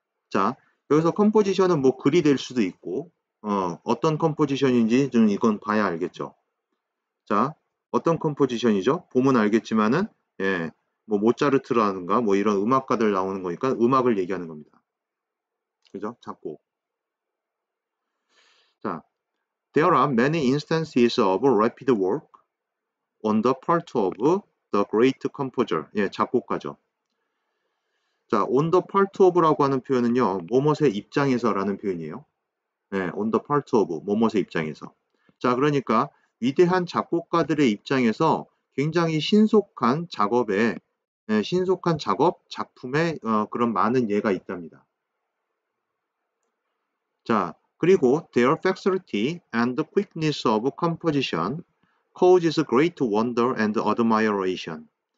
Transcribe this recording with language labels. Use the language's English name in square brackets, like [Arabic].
[Korean] 자, 여기서 컴포지션은 뭐 글이 될 수도 있고, 어떤 컴포지션인지 좀 이건 봐야 알겠죠. 자, 어떤 컴포지션이죠? 보면 알겠지만은, 예, 뭐 모차르트라든가 뭐 이런 음악가들 나오는 거니까 음악을 얘기하는 겁니다. 그죠? 작곡. [English] 자, there are many instances of rapid work on the part of the great composer. [Korean] 예, 작곡가죠. 자, on the part of라고 하는 표현은요, 뭐뭇의 입장에서라는 표현이에요. 예, on the part of, 뭐뭇의 입장에서. 자, 그러니까 위대한 작곡가들의 입장에서 굉장히 신속한 작업에, 예, 신속한 작업, 작품에 그런 많은 예가 있답니다. [English] 자, 그리고 their facility and quickness of composition causes great wonder and admiration.